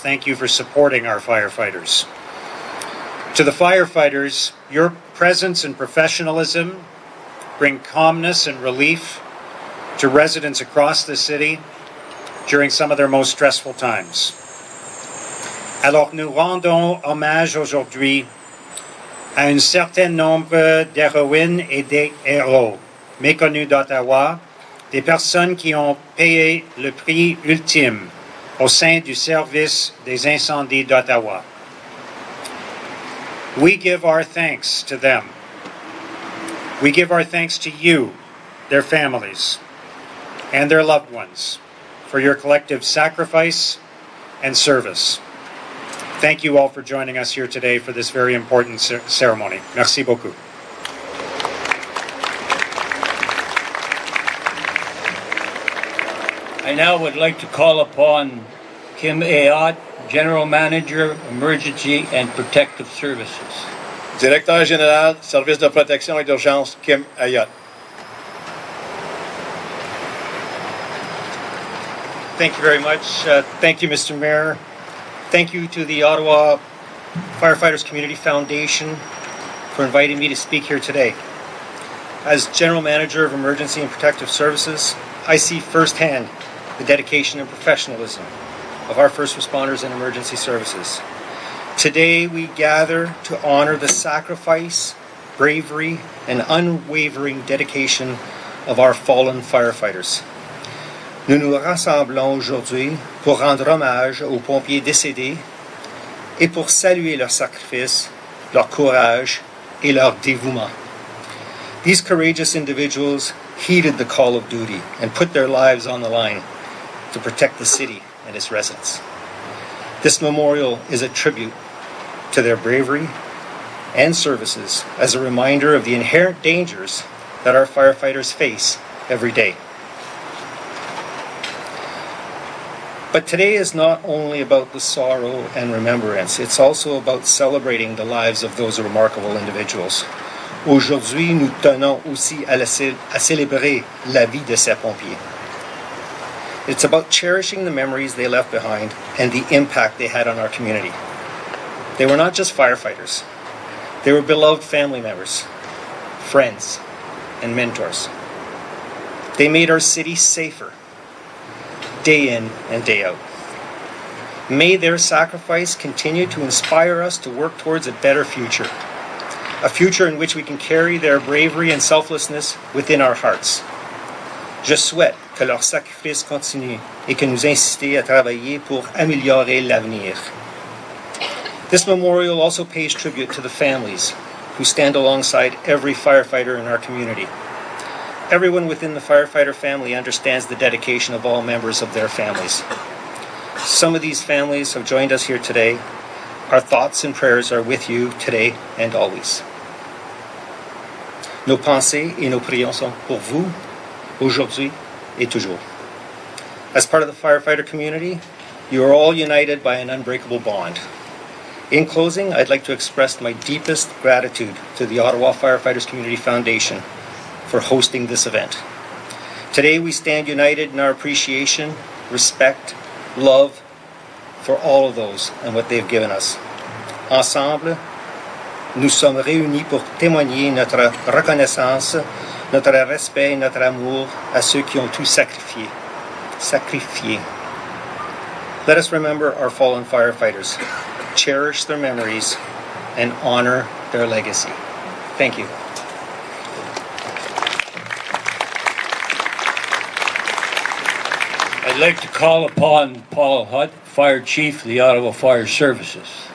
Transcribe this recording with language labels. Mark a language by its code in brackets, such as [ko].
[en] Thank you for supporting our firefighters. To the firefighters, your presence and professionalism bring calmness and relief to residents across the city during some of their most stressful times. [fr] Alors nous rendons hommage aujourd'hui à un certain nombre d'héroïnes et d'héros méconnus d'Ottawa, des personnes qui ont payé le prix ultime au sein du service des incendies d'Ottawa. [en] We give our thanks to them. We give our thanks to you, their families, and their loved ones for your collective sacrifice and service. Thank you all for joining us here today for this very important ceremony. [fr] Merci beaucoup. [en] I now would like to call upon Kim Ayotte, General Manager, Emergency and Protective Services. [fr] Directeur Général, Service de Protection et d'Urgence, Kim Ayotte. [en] Thank you very much. Thank you, Mr. Mayor. Thank you to the Ottawa Firefighters Community Foundation for inviting me to speak here today. As General Manager of Emergency and Protective Services, I see firsthand the dedication and professionalism of our first responders and emergency services. Today, we gather to honor the sacrifice, bravery, and unwavering dedication of our fallen firefighters. [fr] Nous nous rassemblons aujourd'hui pour rendre hommage aux pompiers décédés et pour saluer leur sacrifice, leur courage et leur dévouement. [en] These courageous individuals heeded the call of duty and put their lives on the line to protect the city and its residents. This memorial is a tribute to their bravery and services as a reminder of the inherent dangers that our firefighters face every day. But today is not only about the sorrow and remembrance, it's also about celebrating the lives of those remarkable individuals. [fr] Aujourd'hui, nous tenons aussi à célébrer la vie de ces pompiers. [en] It's about cherishing the memories they left behind and the impact they had on our community. They were not just firefighters. They were beloved family members, friends, and mentors. They made our city safer, day in and day out. May their sacrifice continue to inspire us to work towards a better future, a future in which we can carry their bravery and selflessness within our hearts. [fr] Je souhaite que leur sacrifice continue et que nous incitons à travailler pour améliorer l'avenir. [en] This memorial also pays tribute to the families who stand alongside every firefighter in our community. Everyone within the firefighter family understands the dedication of all members of their families. Some of these families have joined us here today. Our thoughts and prayers are with you today and always. [fr] Nos pensées et nos prières sont pour vous, aujourd'hui et toujours. [en] As part of the firefighter community, you are all united by an unbreakable bond. In closing, I'd like to express my deepest gratitude to the Ottawa Firefighters Community Foundation for hosting this event. Today we stand united in our appreciation, respect, love for all of those and what they have given us. [fr] Ensemble, nous sommes réunis pour témoigner notre reconnaissance, notre respect et notre amour à ceux qui ont tout sacrifié. Sacrifié. [en] Let us remember our fallen firefighters, cherish their memories, and honor their legacy. Thank you. I'd like to call upon Paul Hutt, Fire Chief of the Ottawa Fire Services.